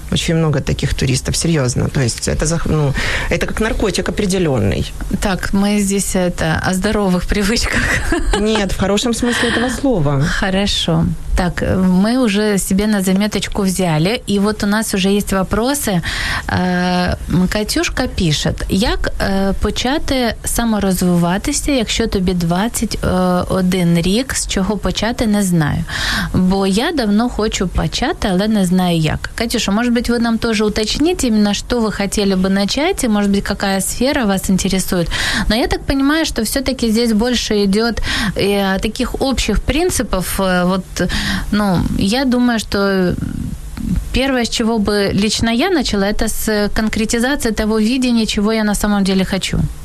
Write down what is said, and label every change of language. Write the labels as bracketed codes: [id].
[ru] Очень много таких туристов, серьезно. То есть это как наркотик определенный. Так, мы здесь о здоровых привычках. Нет, в хорошем смысле этого слова. Хорошо. Так, мы уже себе на заметочку взяли, и вот у нас уже есть вопросы. Катюшка пишет, [uk] як почати саморозвиватися, якщо тобі 21 рік, з чого почати, не знаю. Бо я давно хочу почати, але не знаю як. [ru] Катюша, может быть, вы нам тоже уточните, именно что вы хотели бы начать, и, может быть, какая сфера вас интересует. Но я так понимаю, что все-таки здесь больше идет таких общих принципов, вот... Ну, я думаю, что первое, с чего бы лично я начала, это с конкретизации того видения, чего я на самом деле хочу.